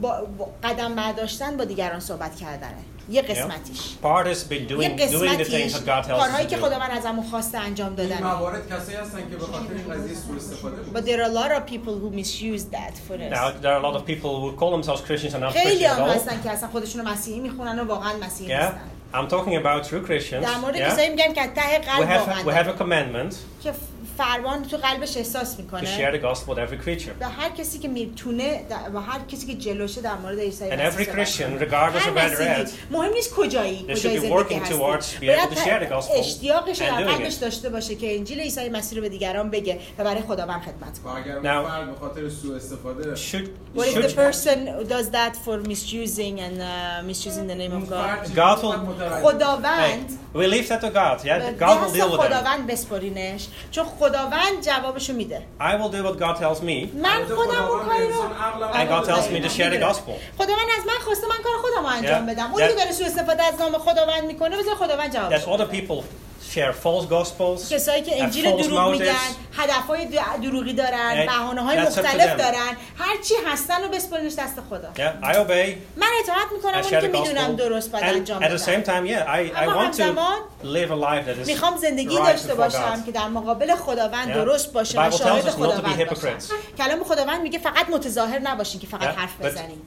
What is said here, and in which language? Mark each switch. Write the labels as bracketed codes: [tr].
[fa] با قدم برداشتن با دیگران صحبت کردنه. یه قسمتیش. [en] Yeah. Part is been doing the things that God tells you. [fa] کارهایی که خداوند ازمو خواسته انجام دادن. این موارد کسایی هستن که به خاطر این قضیه سوء استفاده شده. [en] But there are a lot of people who misuse that for us. Now there are a lot of people who call themselves Christians and not Christians at all. [fa] خیلی هم هستن که اصلا خودشونو مسیحی میخونن و واقعا مسیحی [en] yeah. [fa] هستن. [en] I'm talking about true Christians. [fa] در مورد کسایی میگم که ته قلب واقعا. [en] We have a commandment. [fa] فرمان تو قلبش احساس میکنه. [en] To share the gospel with every creature. [fa] به هر کسی که میتونه و هر کسی که جلوشه در مورد عیسی مسیح. [en] And every Christian, regardless of where they're at. [fa] مهم نیست کجایی. [en] They should be working towards being able to share the gospel. [fa] اشتیاقش در قلبش داشته باشه که انجیل عیسی مسیح رو به دیگران بگه و برای خداوند خدمت کنه. Now, به خاطر سوء استفاده. [en] Should the person does that for misusing and misusing the name of God? God will. [fa] خداوند. [en] We leave that to God. Yeah, God will deal with that. [fa] خداوند بسپرینش. چون خداوند جوابشو میده. [en] I will do what God tells me. [fa] من خودم اون کارو انجام میدم. [en] And God tells me to share the gospel. [fa] خداوند از من خواسته من کار خودمو انجام بدم. اون که داره سوء استفاده از نام خداوند میکنه، بذار خداوند جواب. [en] That's other people share false gospels. [fa] کسایی که انجیل دروغ میگن، هدفهای دروغی دارن، بهانه‌های مختلف دارن، هر چی هستن رو بسپرینش دست خدا. [en] Yeah, I obey. [fa] من اطاعت میکنم اون که میدونم درست باید انجام بدم. [en] At the same time, yeah, I want to live a life that is. [fa] میخوام زندگی داشته باشم که در مقابل خداوند درست باشه، شاهد خداوند باشم. کلام خداوند میگه فقط متظاهر نباشین که فقط حرف بزنین.